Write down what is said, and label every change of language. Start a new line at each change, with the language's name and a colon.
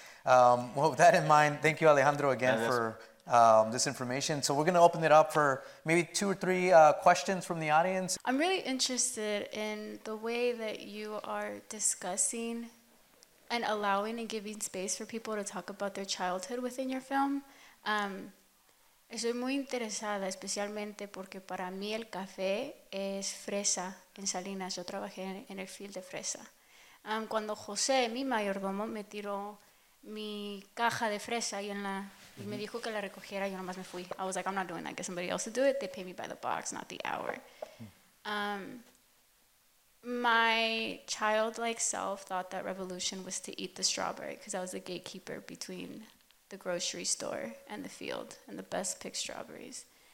English: Well, with that in mind, thank you, Alejandro, again for this information. So we're going to open it up for maybe two or three questions from the audience. I'm really interested in the way that you are discussing and allowing and giving space for people to talk about their childhood within your film.
Spanish: Estoy muy interesada, especialmente porque para mí el café es fresa en Salinas. Yo trabajé en el field de fresa. Cuando José, mi mayordomo, me tiró mi caja de fresa y en la y me dijo que la recogiera, yo nomás me fui.
English: I was like, I'm not doing that, get somebody else to do it. They pay me by the box, not the hour. My childlike self thought that revolution was to eat the strawberry, because I was the gatekeeper between the grocery store and the field and the best picked strawberries.